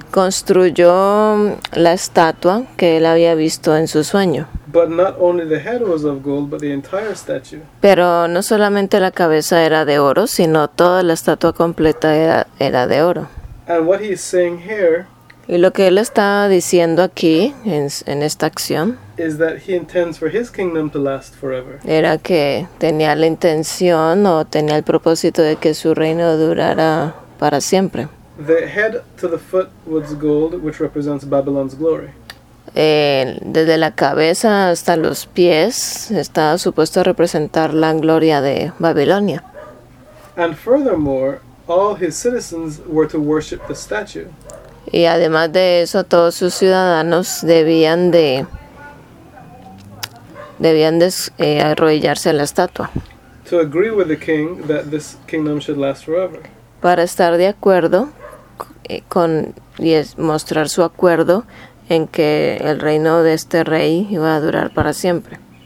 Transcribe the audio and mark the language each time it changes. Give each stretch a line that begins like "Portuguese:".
Spanish: Construyó la estatua que él había visto en su sueño.
English: But not only the head was of gold, but the entire statue.
Spanish: Pero no solamente la cabeza era de oro, sino toda la estatua completa era de oro.
English: And what he's saying here,
Spanish: y lo que él está diciendo aquí en esta acción,
English: is that he intends for his kingdom to last forever.
Spanish: Era que tenía la intención o tenía el propósito de que su reino durara para siempre.
English: The head to the foot was gold, which represents Babylon's glory.
Spanish: Desde la cabeza hasta los pies está supuesto a representar la gloria de Babilonia.
English: And furthermore, all his citizens were to worship the statue.
Spanish: Y además de eso, todos sus ciudadanos debían arrodillarse a la estatua.
English: To agree with the king that this kingdom should last forever.
Spanish: Para estar de acuerdo con y mostrar su acuerdo en que el reino de este rey iba a durar para siempre.